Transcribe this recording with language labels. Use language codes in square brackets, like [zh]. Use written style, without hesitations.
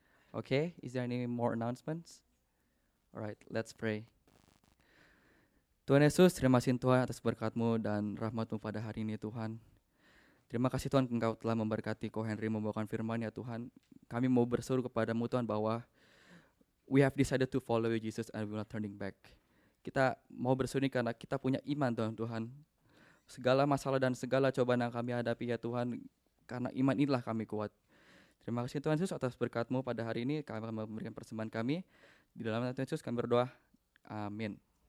[en] Okay, is there any more announcements? Alright, let's pray. [id] Tuhan Yesus, terima kasih Tuhan atas berkat-Mu dan rahmat-Mu pada hari ini Tuhan. Terima kasih Tuhan Engkau telah memberkati Ko Henry membawakan firman-Nya Tuhan. Kami mau berseru kepada-Mu Tuhan bahwa [en] we have decided to follow Jesus and we're not turning back. [id] Kita mau berseru ini karena kita punya iman Tuhan Tuhan. Segala masalah dan segala cobaan yang kami hadapi ya Tuhan, karena iman inilah kami kuat. Terima kasih Tuhan Yesus atas berkat-Mu pada hari ini, kami akan memberikan persembahan kami. Di dalam nama Tuhan Yesus kami berdoa, amin.